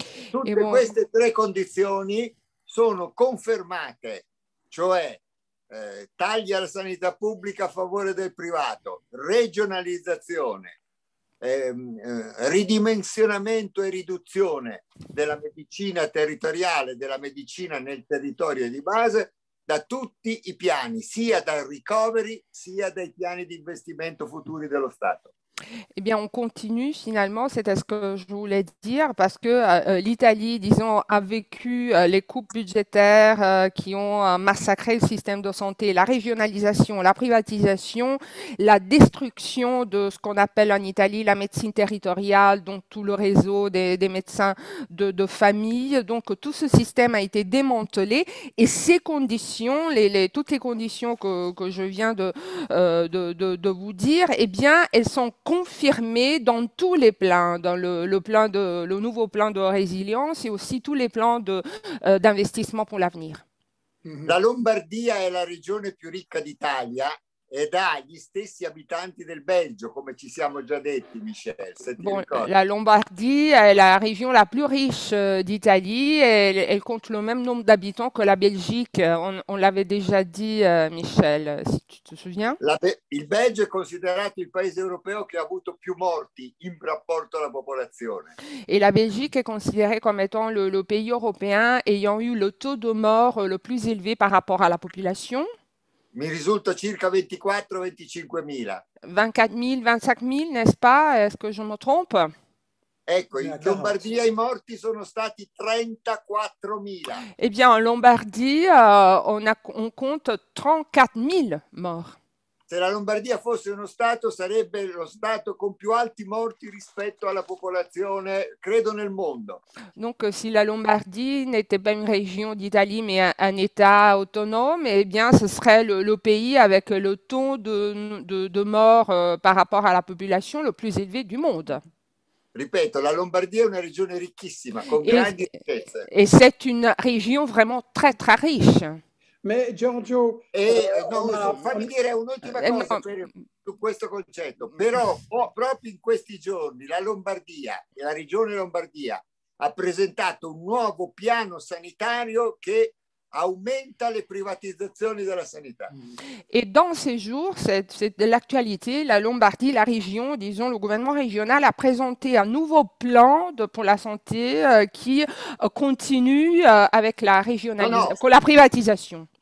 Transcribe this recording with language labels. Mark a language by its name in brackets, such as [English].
[Italian] Tutte queste tre condizioni sono confermate, cioè tagli alla sanità pubblica a favore del privato, regionalizzazione, ridimensionamento e riduzione della medicina territoriale, della medicina nel territorio di base, da tutti i piani, sia dal recovery, sia dai piani di investimento futuri dello Stato. [French] Eh bien, on continue finalement, c'était ce que je voulais dire, parce que l'Italie, disons, a vécu les coupes budgétaires qui ont massacré le système de santé, la régionalisation, la privatisation, la destruction de ce qu'on appelle en Italie la médecine territoriale, donc tout le réseau des médecins de famille. Donc tout ce système a été démantelé, et ces conditions, toutes les conditions que je viens de vous dire, eh bien, elles sont confirmé dans tous les plans, dans le nouveau plan de résilience et aussi tous les plans d'investissement pour l'avenir. [Italian] La Lombardia è la regione più ricca d'Italia ed ha gli stessi abitanti del Belgio, come ci siamo già detti, Michel. [French] Bon, la Lombardie est la région la plus riche d'Italie et elle compte le même nombre d'habitants que la Belgique. On l'avait déjà dit, Michel, si tu te souviens. [Italian] Il Belgio è considerato il paese europeo che ha avuto più morti in rapporto alla popolazione. [French] Et la Belgique est considérée comme étant le pays européen ayant eu le taux de mort le plus élevé par rapport à la population. [Italian] Mi risulta circa 24-25 mila. [French] 24 mila, 25 mila, n'est-ce pas? Est-ce que je me trompe? [Italian] Ecco, in Lombardia i morti sono stati 34 mila. [French] Eh bien, en Lombardie, on compte 34 mila morti. [Italian] Se la Lombardia fosse uno stato, sarebbe lo stato con più alti morti rispetto alla popolazione, credo, nel mondo. [French] Donc, si la Lombardie n'était pas une région d'Italie, mais un État autonome, eh bien, ce serait le pays avec le taux de mort par rapport à la population le plus élevé du monde. [Italian] Ripeto, la Lombardia è una regione ricchissima, con grandi ricchezze. [French] Et c'est une région vraiment très, très riche. Mais Giorgio, [Italian] fammi dire un'ultima cosa su questo concetto. Però proprio in questi giorni la Lombardia, la regione Lombardia, ha presentato un nuovo piano sanitario che aumenta le privatizzazioni della sanità. [French] Et dans ces jours, c'est de l'actualité, la Lombardie, la région, disons, le gouvernement régional a présenté un nouveau plan pour la santé qui continue avec la régionalisation, [Italian] non, con [French] la privatisation.